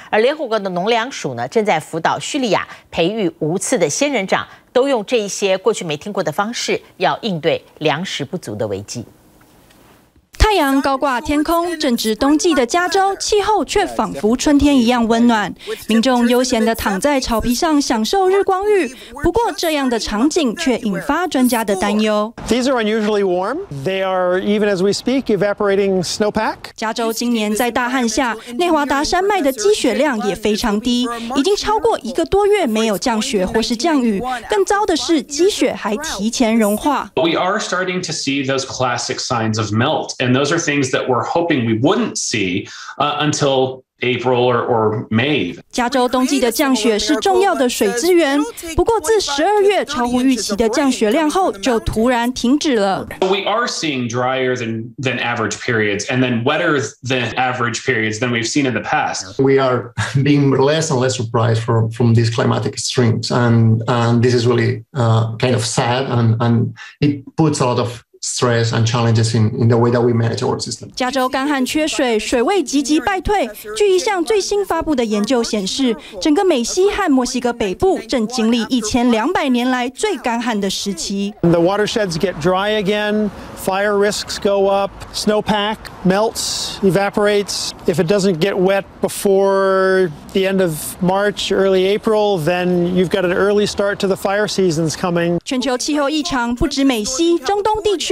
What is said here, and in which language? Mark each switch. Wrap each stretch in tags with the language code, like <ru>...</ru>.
<zh>而联合国的农粮署呢，正在辅导叙利亚培育无刺的仙人掌，都用这一些过去没听过的方式，要应对粮食不足的危机。太阳高挂天空，正值冬季的加州气候却仿佛春天一样温暖，民众悠闲地躺在草皮上享受日光浴。不过这样的场景却引发专家的担忧。</zh> <en>These are unusually warm. They are, even as we speak, evaporating snowpack.</en> <zh>加州今年在大旱下，内华达山脉的积雪量也非常低，已经超过一个多月没有降雪或是降雨。更糟的是，积雪还提前融化。</zh> <en>We are starting to see those classic signs of melt. And those are things that we're hoping we wouldn't see until April or May.</en> <zh>加州冬季的降雪是重要的水资源，不过自12月超乎预期的降雪量后，就突然停止了。</zh> <en>We are seeing drier than average periods, and then wetter than average periods than we've seen in the past. We are being less and less surprised from these climatic extremes, and this is really kind of sad, and it puts a lot of. Stress and challenges in the way that we manage our system.</en> <zh>加州干旱缺水，水位急急败退。据一项最新发布的研究显示，整个美西和墨西哥北部正经历1200年来最干旱的时期。</zh> <en>The watersheds get dry again, fire risks go up, snowpack melts, evaporates. If it doesn't get wet before the end of March, early April, then you've got an early start to the fire seasons coming.</en> <zh>全球气候异常，不止美西，中东地区。</zh>